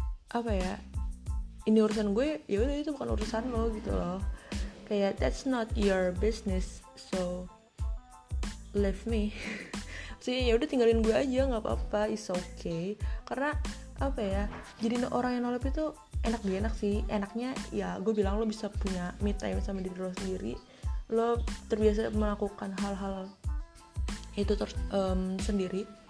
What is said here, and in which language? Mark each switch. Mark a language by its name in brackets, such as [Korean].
[Indonesian] apa ya, ini urusan gue, ya udah itu bukan urusan lo gitu loh. Kayak [English] that's not your business, so leave me. [Indonesian] Maksudnya ya udah tinggalin gue aja, nggak apa-apa, [English] it's okay. [Indonesian] Karena apa ya, jadi orang yang nolep itu enak gak enak sih. Enaknya ya gue bilang lo bisa punya me time sama diri lo sendiri, lo terbiasa melakukan hal-hal itu sendiri.